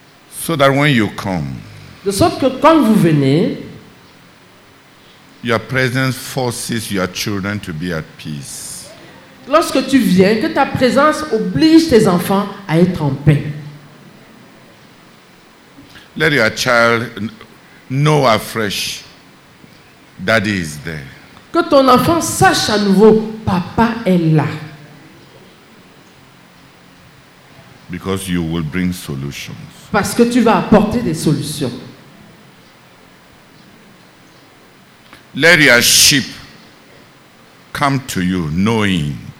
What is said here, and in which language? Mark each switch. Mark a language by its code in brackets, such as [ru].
[en] So that when you come, [fr] de sorte que quand vous venez, [en] your presence forces your children to be at peace. [fr] Lorsque tu viens, que ta présence oblige tes enfants à être en paix. [en] Let your child know afresh, daddy is there. [fr] Que ton enfant sache à nouveau, papa est là. [en] Because you will bring solutions. [fr] Parce que tu vas apporter des solutions. [en] Let your sheep come to you knowing.